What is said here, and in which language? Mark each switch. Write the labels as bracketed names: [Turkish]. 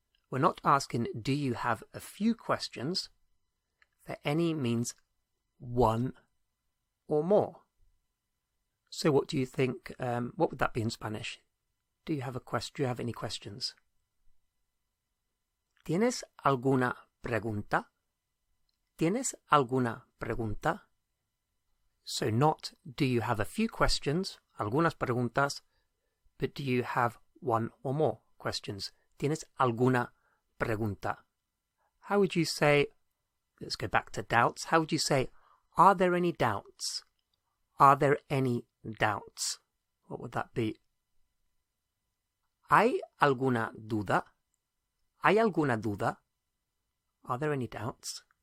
[English] We're not asking, do you have a few questions? The any means one or more. So what do you think, what would that be in Spanish? Do you have any questions? [Spanish] ¿Tienes alguna pregunta? ¿Tienes alguna pregunta? [English] So not, do you have a few questions, [Spanish] algunas preguntas, [English] but do you have one or more questions? [Spanish] ¿Tienes alguna pregunta? [English] How would you say, let's go back to doubts, how would you say, are there any doubts? Are there any doubts? What would that be? [Spanish] ¿Hay alguna duda? ¿Hay alguna duda? [English] Are there any doubts?